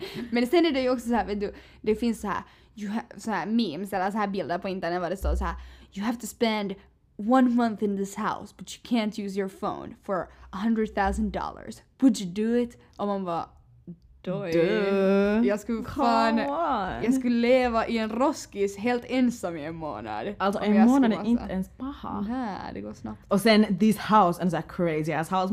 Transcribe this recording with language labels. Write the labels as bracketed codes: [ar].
[sv] Men sen är det ju också såhär, vet du... Det finns såhär memes eller såhär bilder på internet där det står såhär... [en] You have to spend... 1 month in this house, but you can't use your phone for $100,000. Would you do it? [sv] Och man bara, duh. Jag skulle fan, jag skulle leva i en roskis helt ensam i en månad. Alltså en månad är inte ens paha. Nej, det går snabbt. Och sen, [en] this house and that crazy ass house.